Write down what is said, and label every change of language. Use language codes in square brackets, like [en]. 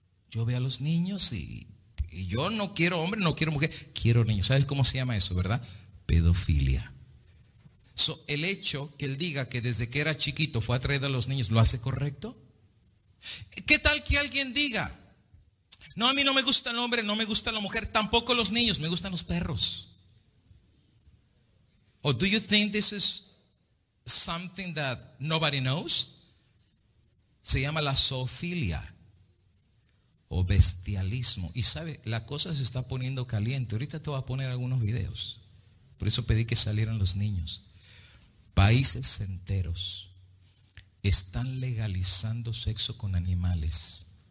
[es] Yo veo a los niños y yo no quiero hombre, no quiero mujer, quiero niños. ¿Sabes cómo se llama eso, verdad? pedofilia. So, el hecho que él diga que desde que era chiquito fue atraído a los niños, ¿lo hace correcto? ¿Qué tal que alguien diga, no, a mí no me gusta el hombre, no me gusta la mujer, tampoco los niños, me gustan los perros? [en] ¿O do you think this is something that nobody knows? [es] Se llama la zoofilia o bestialismo. Y sabe, la cosa se está poniendo caliente. Ahorita te voy a poner algunos videos. Por eso pedí que salieran los niños. Países enteros están legalizando sexo con animales.